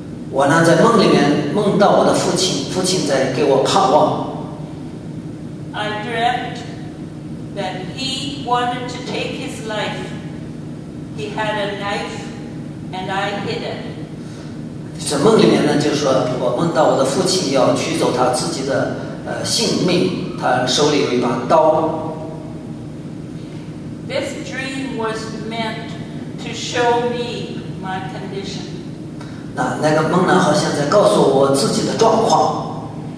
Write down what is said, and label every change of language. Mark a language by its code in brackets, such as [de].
[zh] 我呢在梦里面梦到我的父亲，父亲在给我盼望。 [en] I dreamt that he wanted to take his life. He had a knife, and I hid it. [zh] 在梦里面呢，就说我梦到我的父亲要取走他自己的性命，他手里有一把刀。 [en] This dream was meant to show me my condition. [zh] 那个梦呢，好像在告诉我自己的状况。